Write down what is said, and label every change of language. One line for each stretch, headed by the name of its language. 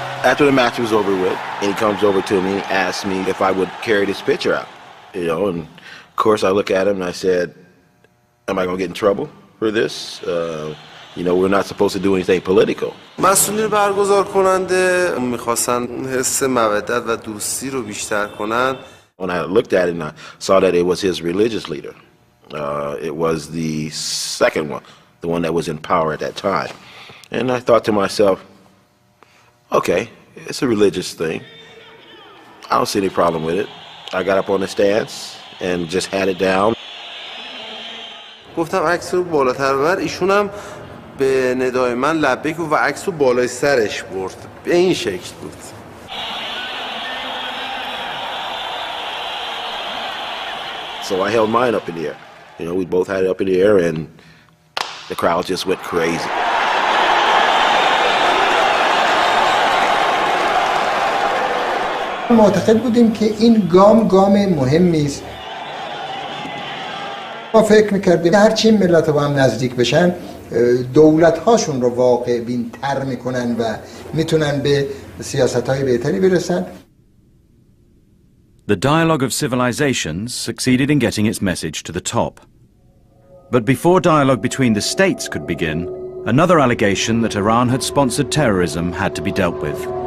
English: After the match was over with, and he comes over to me, asks me if I would carry this pitcher out. You know, and of course I look at him and I said, am I going to get in trouble for this? You know, we're not supposed to do anything political.
Persian: مسئولین برگزار کننده میخواستن حس مودت و دوستی رو بیشتر کنن.
English: When I looked at him, I saw that it was his religious leader. It was the second one, the one that was in power at that time. And I thought to myself, okay, it's a religious thing. I don't see any problem with it. I got up on the stands and just had it down.
Persian: گفتم عکس رو بالاتر ببر. ایشون هم به ندای من لبیک و عکس رو بالای سرش برد. به این شکل بود.
English: So I held mine up in the air. You know, we both had it up in the air and the crowd just went crazy.
Persian: معتقد بودیم که این گام گام مهمی است. ما فکر می‌کردیم هر چی ملت‌ها با هم نزدیک بشن، دولت‌هاشون رو واقع‌بین‌تر می‌کنن و می‌تونن به سیاست‌های بهتری برسن.
English: The Dialogue of Civilizations succeeded in getting its message to the top. But before dialogue between the states could begin, another allegation that Iran had sponsored terrorism had to be dealt with.